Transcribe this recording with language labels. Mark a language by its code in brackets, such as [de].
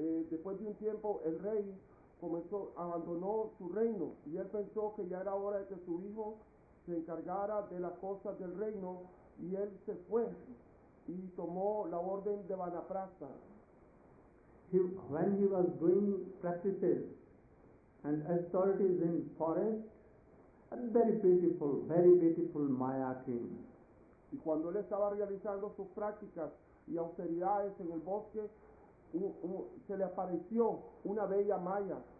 [es] Después de un tiempo, el rey comenzó, abandonó su reino y él pensó que ya era hora de que su hijo se encargara de las cosas del reino y él se fue y tomó la orden de Vanaprastha. [en] When he was doing practices and authorities in forest, a very beautiful Maya king. [es] Y cuando él estaba realizando sus prácticas y austeridades en el bosque, se le apareció una bella Maya.